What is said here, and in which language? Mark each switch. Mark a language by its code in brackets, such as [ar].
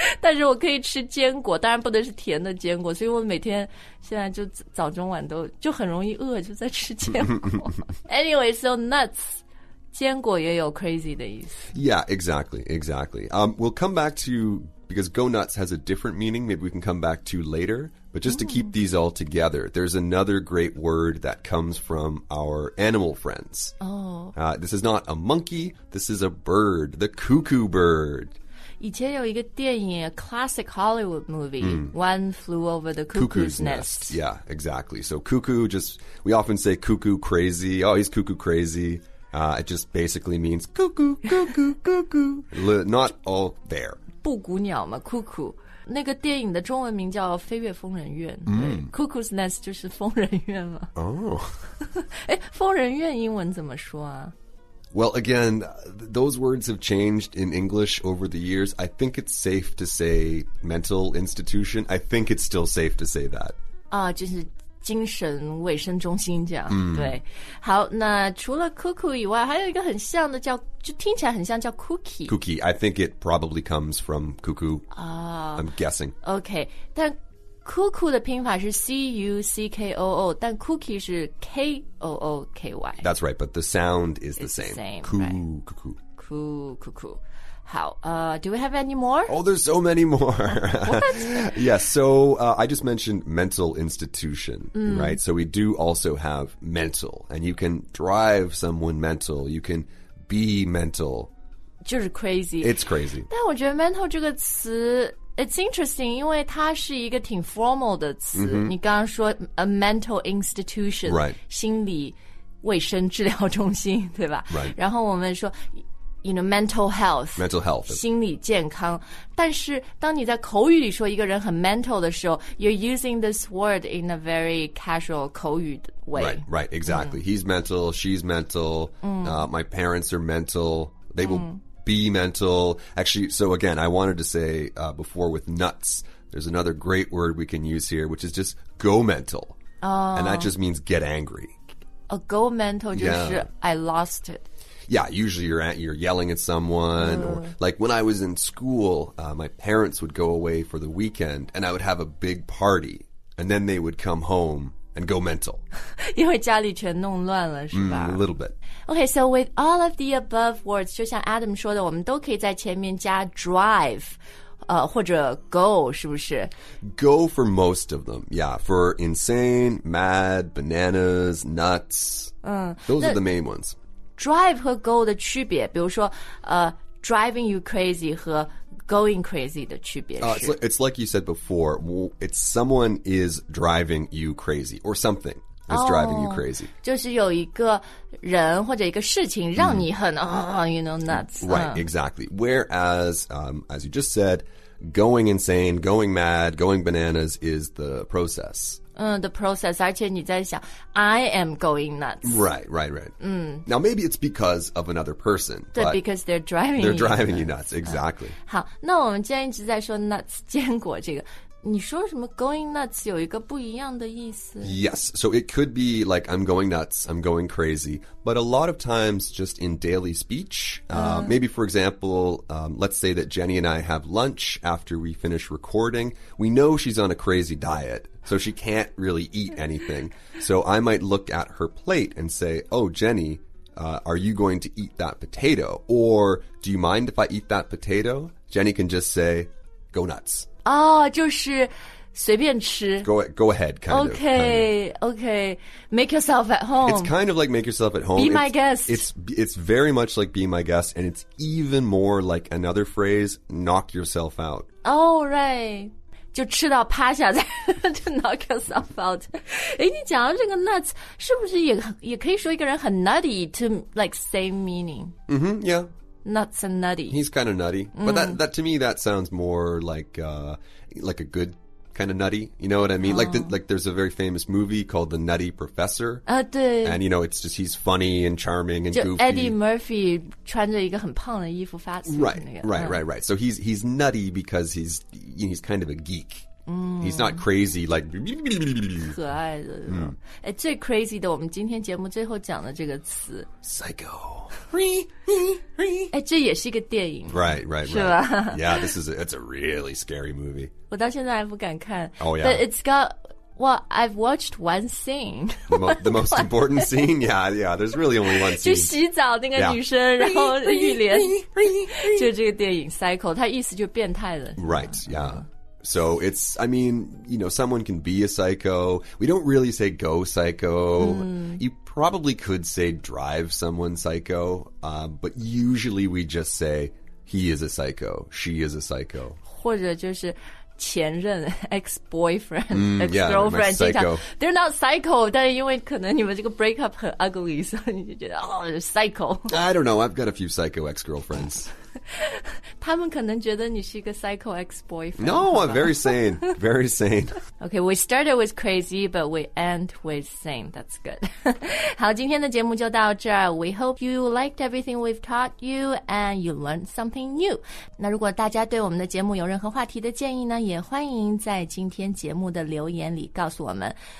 [zh] 但是我可以吃坚果，当然不能是甜的坚果，所以我每天现在就早中晚都就很容易饿，就在吃坚果。 [en] Anyway, so nuts. [zh] 坚果也有 crazy 的意思。 [en] Yeah, exactly. We'll come back to, because go nuts has a different meaning, maybe we can come back to later, but just to keep these all together, there's another great word that comes from our animal friends. Oh. This is not a monkey, this is a bird, the cuckoo bird. [zh] 以前有一个电影, [en] a classic Hollywood movie, One Flew Over the Cuckoo's Nest. Yeah, exactly. So cuckoo, just, we often say cuckoo crazy, oh, he's cuckoo crazy. It just basically means cuckoo, cuckoo, cuckoo. Not all there. [zh] 布谷鸟嘛 cuckoo. 那个电影的中文名叫飞越疯人院。 Cuckoo's Nest 就是疯人院嘛。疯人院英文怎么说啊? [en] Well, again, those words have changed in English over the years. I think it's safe to say mental institution. I think it's still safe to say that. [zh] 就是精神卫生中心这样对好那除了 cuckoo 以外还有一个很像的叫就听起来很像叫 cookie [en] I think it probably comes from cuckoo I'm guessing [zh] okay 但 cuckoo 的拼法是 c-u-c-k-o-o 但 cookie 是 k-o-o-k-y [en] that's right but the sound is the same, cuckoo How? Do we have any more? Oh, there's so many more. What? Yeah, so I just mentioned mental institution, right? So we do also have mental. And you can drive someone mental. You can be mental. [zh] 就是 crazy. [en] It's crazy. [zh] 但我觉得 mental 这个词 [en] it's interesting, [zh] 因为它是一个挺 formal 的词。 [en] Mm-hmm. 你刚刚说 a mental institution. Right. [zh] 心理卫生治疗中心，对吧？ [en] Right. [zh] 然后我们说 [en] You know, mental health. [zh] 心理健康。但是当你在口语里说一个人很 mental 的时候 [en] you're using this word in a very casual [zh] 口语way. [en] Right, exactly. He's mental, she's mental, my parents are mental, they will be mental. Actually, so again, I wanted to say before with nuts, there's another great word we can use here, which is just go mental. And that just means get angry. Go mental [zh] 就是 [en] I lost it. Yeah, usually you're yelling at someone. Or, like when I was in school, my parents would go away for the weekend and I would have a big party. And then they would come home and go mental. [zh] 因为家里全弄乱了，是吧？ [en] A little bit. Okay, so with all of the above words, [zh] 就像 Adam 说的，我们都可以在前面加 drive, 或者 go, 是不是？ [en] Go for most of them, yeah. For insane, mad, bananas, nuts. Those are the main ones. [zh] Drive 和 go 的区别，比如说 [en] driving you crazy [zh] 和 [en] going crazy [zh] 的区别是 [en] it's like you said before, it's someone is driving you crazy, or something is driving you crazy. [zh] 就是有一个人或者一个事情让你很、 [en] you know, nuts. Right, exactly. Whereas,、as you just said, going insane, going mad, going bananas is the process. The process, [zh] 而且你在想 [en] I am going nuts. Right, right, right.、Now maybe it's because of another person. 对 because they're driving you nuts. They're driving you nuts, exactly.、 [zh] 好那我们既然一直在说 nuts, 坚果这个你说什么 going nuts 有一个不一样的意思 [en] Yes, so it could be like I'm going nuts, I'm going crazy. But a lot of times just in daily speech,、maybe for example,、let's say that Jenny and I have lunch after we finish recording. We know she's on a crazy diet. So she can't really eat anything. So I might look at her plate and say, oh, Jenny, are you going to eat that potato? Or do you mind if I eat that potato? Jenny can just say, go nuts. [zh] Oh, 就是随便吃 [en] go ahead, kind okay, of. Okay, okay. Make yourself at home. It's kind of like make yourself at home. Be my guest. It's very much like be my guest. And it's even more like another phrase, knock yourself out. Oh, right. [zh] 就吃到趴下在就 [en] knock yourself out. [zh] 诶你讲到这个 nuts, 是不是 也可以说一个人很 [en] nutty to like same meaning? Mm-hmm, yeah. Nuts and nutty. He's kind of nutty.、But that to me, that sounds more like a good kind of nutty. You know what I mean?、Like there's a very famous movie called The Nutty Professor. [zh] 对。 [en] And you know, it's just he's funny and charming and goofy. [zh] Eddie Murphy 穿着一个很胖的衣服发出来的那个。 [en] Right. So he's nutty because he's... He's kind of a geek.、He's not crazy, like... [zh] 可爱的、最 crazy 的我们今天节目最后讲的这个词 [en] Psycho. [zh] 这也是一个电影 [en] Right. [zh] 是吧 [en] Yeah, this is it's a really scary movie. [zh] 我到现在还不敢看 [en] Oh yeah. But it's got... Well, I've watched one scene. The most important scene? Yeah, there's really only one scene. [zh] 去洗澡那个女生、然后浴帘就这个电影 Psycho 它意思就变态了 [en] Right, yeah. So it's, I mean, you know, someone can be a psycho. We don't really say go psycho.、You probably could say drive someone psycho.、but usually we just say he is a psycho, she is a psycho. [zh] 或者就是前任 ex-boyfriend ex-girlfriend [en] they're not psycho [zh] 但因为可能你们这个 breakup 很 ugly 所以你就觉得 psycho [en] I don't know I've got a few psycho ex-girlfriends [zh] 他们可能觉得你是一个 psycho ex-boyfriend [en] no I'm very sane okay we started with crazy but we end with sane that's good [zh] 好今天的节目就到这儿 [en] we hope you liked everything we've taught you and you learned something new [zh] 那如果大家对我们的节目有任何话题的建议呢也欢迎在今天节目的留言里告诉我们